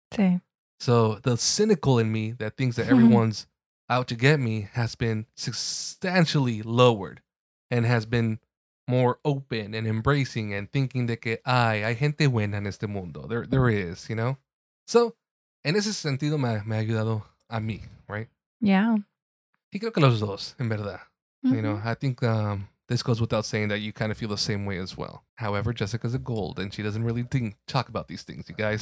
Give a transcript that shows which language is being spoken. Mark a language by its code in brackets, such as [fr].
[en] See? So the cynical in me that thinks that everyone's out to get me has been substantially lowered and has been more open and embracing and thinking [es] de que hay gente buena en este mundo. [en] There is, you know? So [es] En ese sentido me ha ayudado a mí, [en] right? Yeah. [es] Y creo que los dos, en verdad. Mm-hmm. [en] You know, I think this goes without saying that you kind of feel the same way as well. However, Jessica's a gold and she doesn't really talk about these things, you guys.